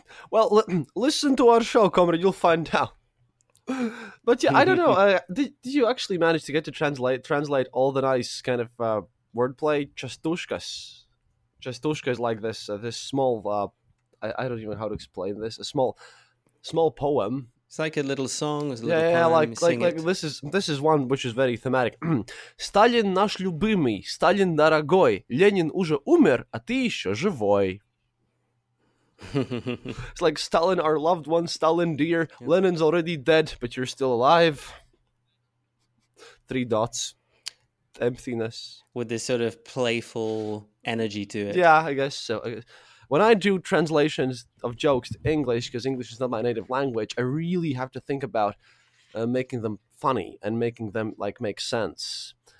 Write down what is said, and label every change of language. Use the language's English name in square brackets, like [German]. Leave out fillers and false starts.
[English] Well, listen to our show, comrade. You'll find out. But yeah, I don't know. Did you actually manage to get to translate all the nice kind of wordplay? Chastushkas. Chastushka is like this this small, I don't even know how to explain this, a small poem. It's like a little song. A little poem. This is one which is very thematic. [Russian] Сталин наш любимый, Сталин дорогой, Ленин уже умер, а ты еще живой. [English] It's like Stalin, our loved one, Stalin dear, yep. Lenin's already dead, but you're still alive. Three dots. Emptiness. With this sort of playful energy to it. Yeah, I guess so. When I do translations of jokes to English, because English is not my native language, I really have to think about making them funny and making them like make sense.